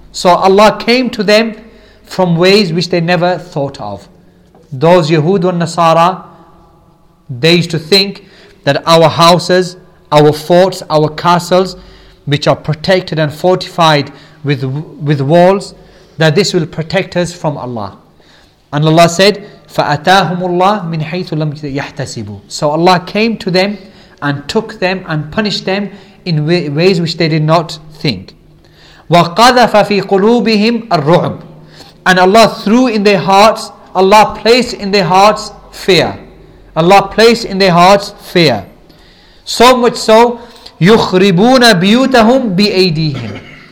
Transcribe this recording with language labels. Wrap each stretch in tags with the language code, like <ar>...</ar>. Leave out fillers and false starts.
<en>So Allah came to them from ways which they never thought of. Those Yahud and Nasara, they used to think that our houses, our forts, our castles, which are protected and fortified with walls, that this will protect us from Allah. And Allah said,</en> <ar>فَأَتَاهُمُ اللَّهُ مِنْ حَيْثُ لَمْ يَحْتَسِبُوا.</ar> <en>So Allah came to them and took them and punished them in ways which they did not think.</en> <ar>وَقَذَفَ فِي قُلُوبِهِمْ الرُّعْبِ.</ar> <en>And Allah threw in their hearts, Allah placed in their hearts fear. Allah placed in their hearts fear. So much so,</en> <ar>يُخْرِبُونَ بِيُوتَهُمْ بِأَيْدِيهِمْ.</ar>